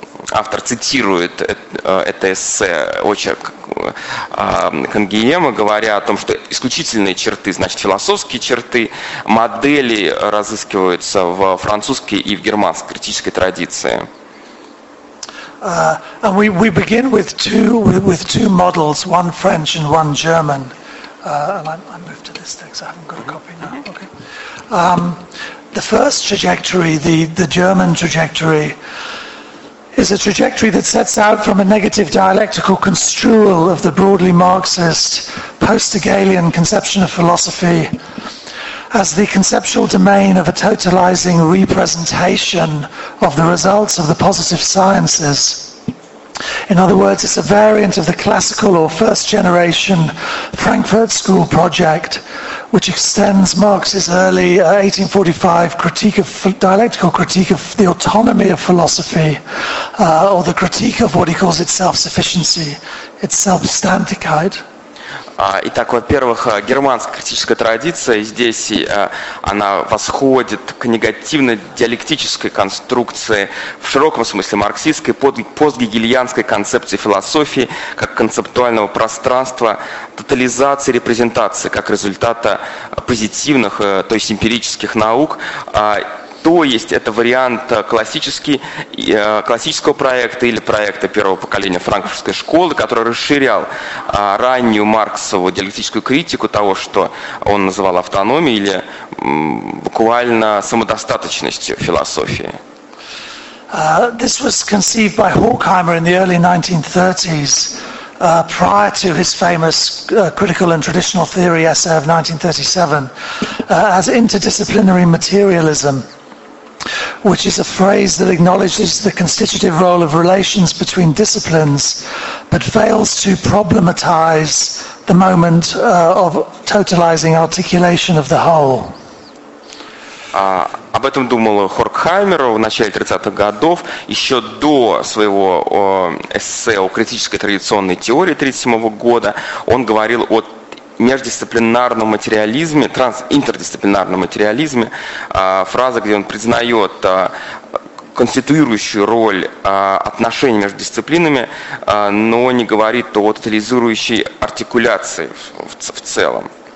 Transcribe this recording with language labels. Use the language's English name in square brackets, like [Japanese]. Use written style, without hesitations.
[Russian] Автор цитирует это эссе, очерк Кангиема, говоря о том, что исключительные черты, значит, философские черты, модели разыскиваются в французской и в германской критической традиции. [English] And we begin with two models, one French and one German. And I move to this text. I haven't got a copy now. Okay. The first trajectory, the German trajectory, is a trajectory that sets out from a negative dialectical construal of the broadly Marxist post-Hegelian conception of philosophy as the conceptual domain of a totalizing representation of the results of the positive sciences. In other words, it's a variant of the classical or first-generation Frankfurt School project, which extends Marx's early 1845 dialectical critique of the autonomy of philosophy, or the critique of what he calls its self-sufficiency, its Selbstständigkeit. [Russian] Итак, во-первых, германская критическая традиция здесь она восходит к негативно-диалектической конструкции в широком смысле марксистской постгегельянской концепции философии как концептуального пространства тотализации репрезентации как результата позитивных, то есть эмпирических наук. То есть это вариант классического проекта или проекта первого поколения франкфуртской школы, который расширял раннюю марксову диалектическую критику того, что он называл автономией или буквально самодостаточностью философии. [English] This was conceived by Horkheimer in the early 1930s, prior to his famous critical and traditional theory essay of 1937, as interdisciplinary materialism, which is a phrase that acknowledges the constitutive role of relations between disciplines, but fails to problematize the moment of totalizing articulation of the whole. [Russian] Об этом думал Хоркхаймер в начале 30-х годов, еще до своего эссе о критической традиционной теории 37-го года. Он говорил о междисциплинарном материализме, трансинтердисциплинарном материализме, фраза, где он признает конституирующую роль отношений между дисциплинами, но не говорит о тотализирующей артикуляции в целом.